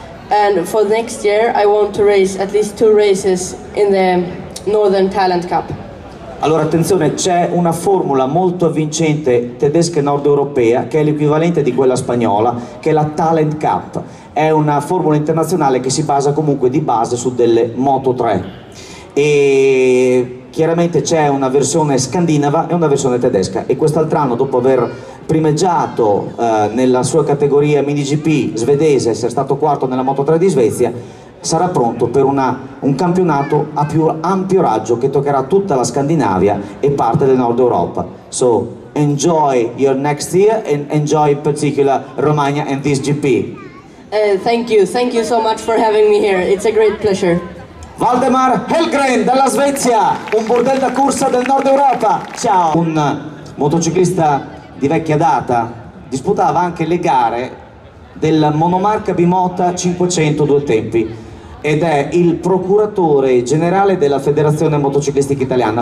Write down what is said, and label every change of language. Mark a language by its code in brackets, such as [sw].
[en] And for next year I want to race at least two races in the Northern Talent Cup. [it] Allora attenzione, c'è una formula molto avvincente tedesca e nord-europea che è l'equivalente di quella spagnola, che è la Talent Cup. È una formula internazionale che si basa comunque di base su delle Moto3. E chiaramente c'è una versione scandinava e una versione tedesca. E quest'altr'anno, dopo aver primeggiato nella sua categoria mini GP svedese, essere stato quarto nella Moto3 di Svezia, sarà pronto per un campionato a più ampio raggio che toccherà tutta la Scandinavia e parte del nord Europa. [en] So enjoy your next year and enjoy in particular Romagna and this GP. Thank you so much for having me here, it's a great pleasure. [it] Valdemar Helgren dalla Svezia, un burdel da corsa del nord Europa, ciao. Un motociclista di vecchia data, disputava anche le gare del monomarca Bimota 500 due tempi ed è il procuratore generale della Federazione Motociclistica Italiana.